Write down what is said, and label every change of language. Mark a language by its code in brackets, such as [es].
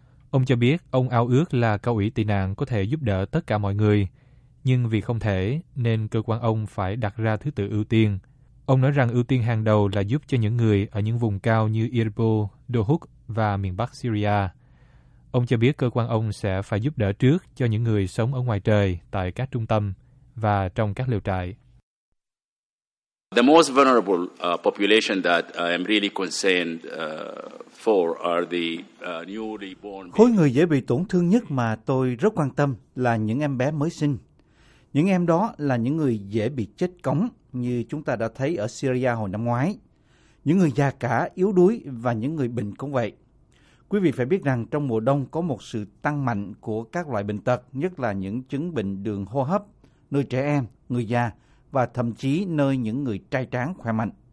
[vi] Ông cho biết ông ao ước là cao ủy tị nạn có thể giúp đỡ tất cả mọi người, nhưng vì không thể nên cơ quan ông phải đặt ra thứ tự ưu tiên. Ông nói rằng ưu tiên hàng đầu là giúp cho những người ở những vùng cao như Irbil, Duhok và miền bắc Syria. Ông cho biết cơ quan ông sẽ phải giúp đỡ trước cho những người sống ở ngoài trời tại các trung tâm và trong các lều trại. [en] The most vulnerable population that I'm really concerned for are the newly born. [vi] Khối người dễ bị tổn thương nhất mà tôi rất quan tâm là những em bé mới sinh. Những em đó là những người dễ bị chết cóng như chúng ta đã thấy ở Syria hồi năm ngoái. Những người già cả, yếu đuối và những người bệnh cũng vậy. Quý vị phải biết rằng trong mùa đông có một sự tăng mạnh của các loại bệnh tật, nhất là những chứng bệnh đường hô hấp, nơi trẻ em, người già và thậm chí nơi những người trai tráng khỏe mạnh.